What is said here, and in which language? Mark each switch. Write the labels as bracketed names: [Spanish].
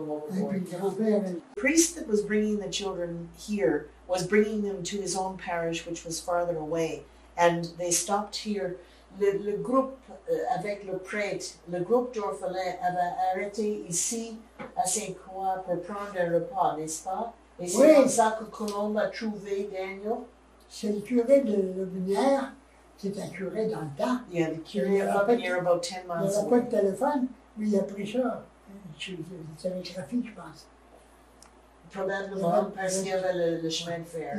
[English] The priest that was bringing the children here was bringing them to his own parish, which was farther away. And they stopped here. [French] Le groupe avec le prêtre, le groupe d'orphelins avait arrêté ici à Saint-Croix pour prendre un repas, n'est-ce pas? Et c'est comme ça que Colombe a trouvé Daniel. C'est le curé de Lebinière. C'est un curé dans le temps. [English] Yeah, the curé up here about 10 miles away. [French] Il n'avait pas de téléphone, mais il a pris ça. C'est un graphique, je pense. Probablement parce qu'il y avait le chemin de fer.